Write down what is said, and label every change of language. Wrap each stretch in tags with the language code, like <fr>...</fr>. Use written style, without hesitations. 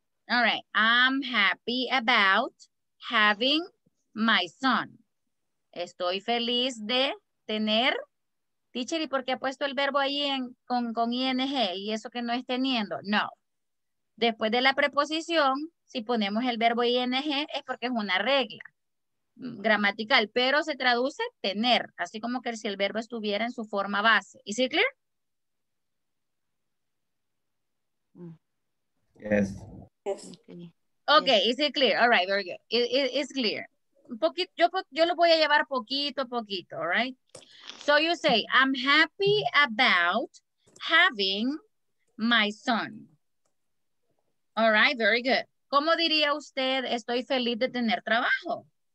<en>All right, I'm happy about having my son.</en> <es>Estoy feliz de tener. Teacher, ¿y por qué ha puesto el verbo ahí en, con ing y eso que no es teniendo? No. Después de la preposición, si ponemos el verbo ing es porque es una regla gramatical, pero se traduce tener, así como que si el verbo estuviera en su forma base.</es> <en>¿Is it clear? Yes. Yes. Okay, yes. Is it clear? All right, very good. It's clear.</en> <es>Yo lo voy a llevar poquito a poquito,</es> <en>all right? So you say, I'm happy about having my son. All right, very good.</en> <es>¿Cómo diría usted, estoy feliz de tener trabajo?</es>